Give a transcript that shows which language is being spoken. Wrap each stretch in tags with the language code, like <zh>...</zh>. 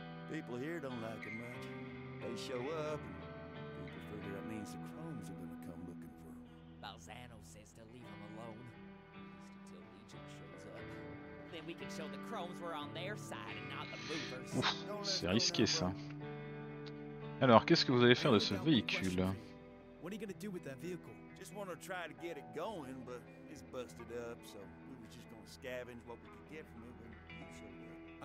<en>People here don't like it much. They show up and people figure that means the Chromes are gonna come looking for them. Balzano says to leave them alone. Just until Legion shows up. Then we can show the Chromes we're on their side and not the movers.</en> <fr>Ouf, c'est risqué ça. Alors, qu'est-ce que vous allez faire de ce véhicule?</fr> <en>What are you gonna do with that vehicle? Just wanna try to get it going, but it's busted up, so we were just gonna scavenge what we could get from it, but it showed up.</en>